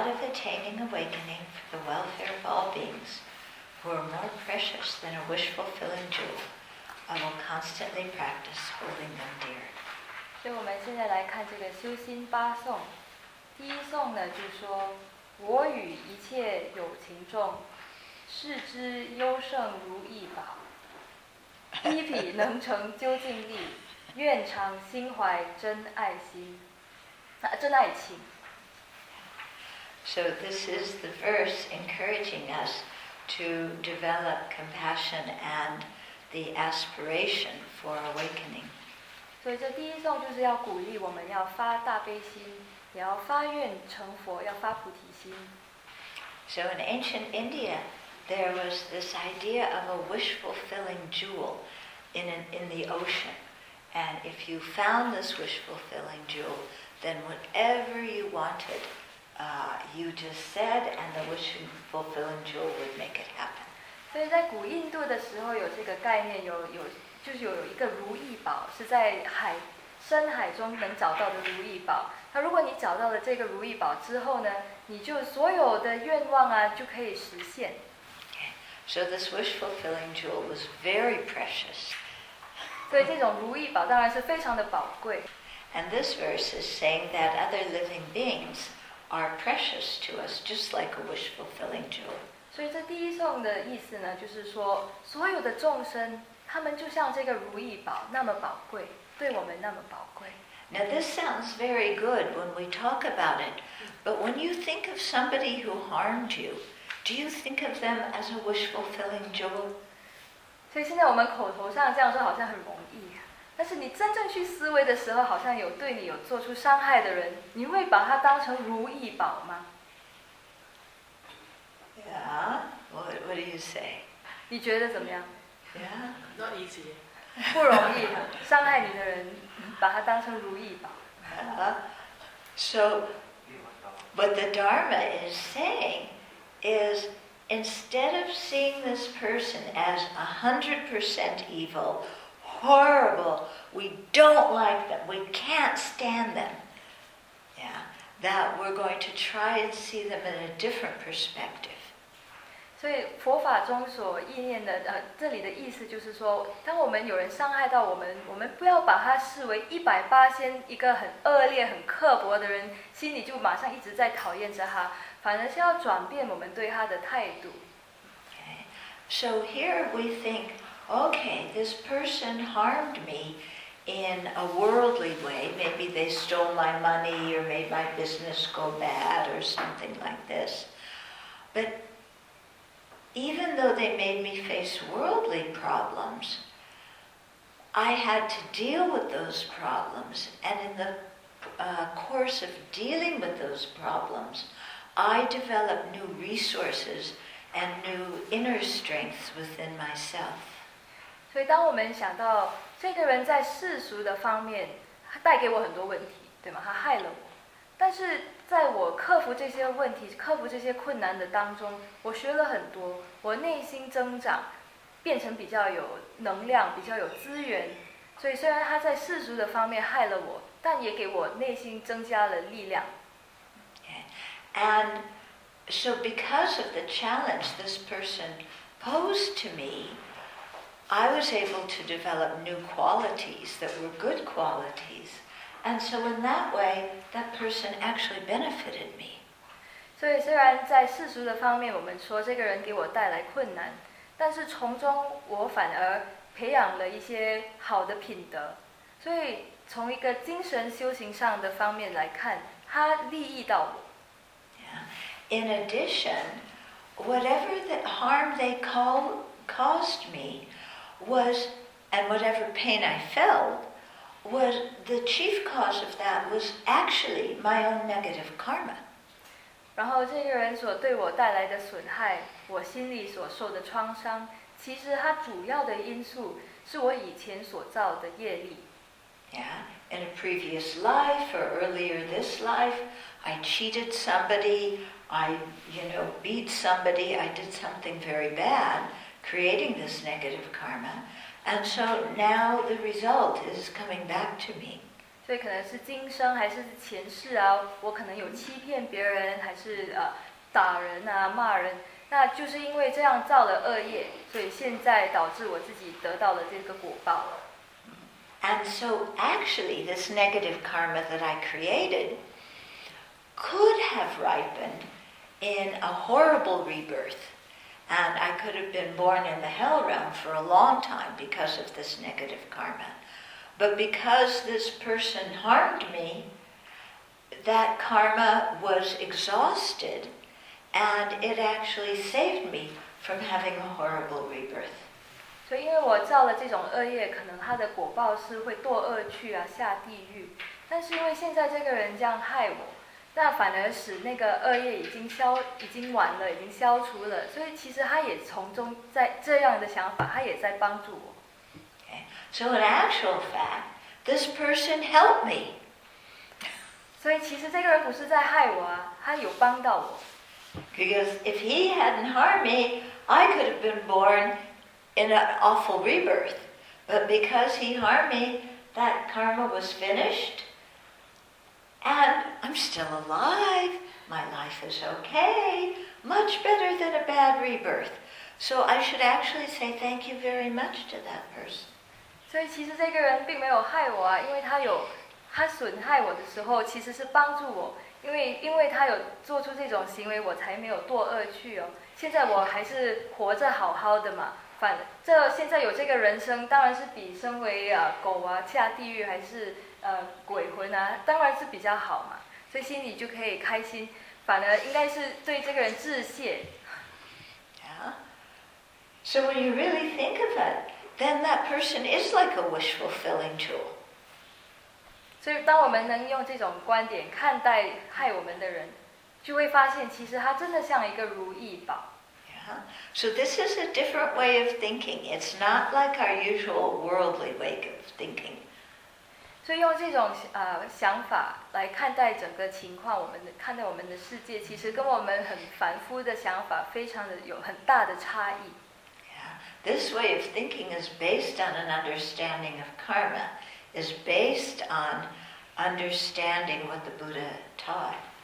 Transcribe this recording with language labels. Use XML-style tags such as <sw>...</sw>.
<en>Attaining awakening for the welfare of all beings, who are more precious than a wish fulfilling jewel, I will constantly practice holding them dear.</en> <zh>所以我们现在来看这个修心八颂。第一颂呢，就说：我与一切有情众，视之优胜如意宝。一彼能成究竟力，愿常心怀真爱心，真爱情。</zh> <en>So this is the verse encouraging us to develop compassion and the aspiration for awakening.</en> <zh>所以这第一颂就是要鼓励我们要发大悲心，也要发愿成佛，要发菩提心。</zh> <en>So in ancient India, there was this idea of a wish-fulfilling jewel in the ocean. And if you found this wish-fulfilling jewel, then whatever you wanted,you just said, and the wish-fulfilling jewel would make it happen.</en> <zh>所以在古印度的时候有这个概念，就是有一个如意宝，是在海深海中能找到的如意宝。那如果你找到了这个如意宝之后呢，你就所有的愿望啊就可以实现。</zh> <en>So this wish-fulfilling jewel was very precious.</en> <zh>所以这种如意宝当然是非常的宝贵。</zh> <en>And this verse is saying that other living beings. Are precious to us, just like a wish-fulfilling jewel.</en> <zh>所以这第一颂的意思呢，就是说，所有的众生，他们就像这个如意宝那么宝贵，对我们那么宝贵。</zh> <en>Now this sounds very good when we talk about it, but when you think of somebody who harmed you, do you think of them as a wish-fulfilling jewel?</en> <zh>所以现在我们口头上这样说好像很容易。但是你真正去思维的时候，好像有对你有做出伤害的人，你会把它当成如意宝吗</zh> <en>？Yeah, what do you say?</en> <zh>你觉得怎么样</zh> <en>？Yeah, not easy.</en> <zh>不容易，伤害你的人，把它当成如意宝。</zh> <en>So, what the Dharma is saying is, instead of seeing this person as 100% evil. horrible. We don't like them. We can't stand them. Yeah, that we're going to try and see them in a different perspective.</en> <zh>所以佛法中所意念的，这里的意思就是说，当我们有人伤害到我们，我们不要把他视为一百八仙一个很恶劣、很刻薄的人，心里就马上一直在讨厌着他，反而是要转变我们对他的态度。</zh> <en>So here we think, okay, this person harmed me in a worldly way. Maybe they stole my money or made my business go bad or something like this. But even though they made me face worldly problems, I had to deal with those problems. And in the course of dealing with those problems, I developed new resources. And new inner strengths within myself.</en> <zh>所以当我们想到这个人在世俗的方面，他带给我很多问题，对吗？他害了我。但是在我克服这些问题、克服这些困难的当中，我学了很多，我内心增长，变成比较有能量、比较有资源。所以虽然他在世俗的方面害了我，但也给我内心增加了力量。</zh> <en>And So because of the challenge this person posed to me, I was able to develop new qualities that were good qualities. And so in that way, that person actually benefited me.</en> <zh>所以虽然在世俗的方面我们说这个人给我带来困难，但是从中我反而培养了一些好的品德。所以从一个精神修行上的方面来看，他利益到我。</zh> <en>In addition, whatever the harm they caused me was, and whatever pain I felt, was the chief cause of that was actually my own negative karma.</en> <zh>然后这个人所对我带来的损害，我心里所受的创伤，其实它主要的因素是我以前所造的业力。</zh> <en>Yeah, in a previous life or earlier this life, I cheated somebody. I, you know, beat somebody, I did something very bad, creating this negative karma. And so now the result is coming back to me.</en> <zh>所以可能是今生还是前世啊，我可能有欺骗别人，还是打人啊，骂人。那就是因为这样造了恶业，所以现在导致我自己得到了这个果报。</zh> <en>And so actually this negative karma that I created could have ripened in a horrible rebirth. And I could have been born in the hell realm for a long time because of this negative karma. But because this person harmed me, that karma was exhausted, and it actually saved me from having a horrible rebirth.</en> <zh>所以因为我造了这种恶业，可能它的果报是会堕恶趣啊，下地狱。但是因为现在这个人这样害我，那反而使那个恶业已经完了，已经消除了。所以其实他也从中在这样的想法，他也在帮助我。</zh> <en>So in actual fact, this person helped me.</en> <zh>所以其实这个人不是在害我啊，他有帮到我。 Because if he hadn't harmed me, I could have been born in an awful rebirth. But because he harmed me, that karma was finished. And I'm still alive. My life is okay. Much better than a bad rebirth. So I should actually say thank you very much to that person. 所以其实这个人并没有害我啊，因为他损害我的时候其实是帮助我，因为他有做出这种行为，我才没有堕恶趣哦。现在我还是活着好好的嘛。反这现在有这个人生，当然是比身为狗啊下地狱还是。鬼魂啊，当然是比较好嘛，所以心里就可以开心，反而应该是对这个人致谢。</zh> <en>So when you really think of it, then that person is like a wish fulfilling tool.</en> <zh>所以当我们能用这种观点看待害我们的人，就会发现其实他真的像一个如意宝。</zh> <en>So this is a different way of thinking. It's not like our usual worldly way of thinking.</en> <zh>所以用这种想法来看待整个情况，看待我们的世界，其实跟我们很凡夫的想法非常的有很大的差异。</zh> <en>Yeah. This way of thinking is based on an understanding of karma, is based on understanding what the Buddha taught.</en>